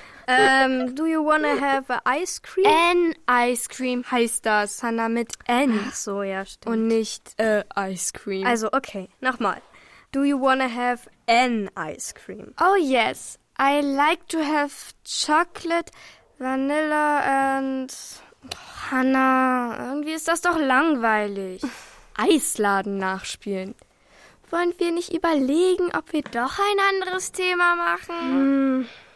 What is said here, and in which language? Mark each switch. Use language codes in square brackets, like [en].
[en] Do you wanna have a ice cream? An ice cream [de] heißt das, Hanna, mit N. Ach so, ja, stimmt. Und nicht ice cream. Also, okay, nochmal. [en] Do you wanna have an ice cream? Oh, yes. I like to have chocolate, vanilla and... [de] Hanna, irgendwie ist das doch langweilig. Eisladen nachspielen. Wollen wir nicht überlegen, ob wir doch ein anderes Thema machen?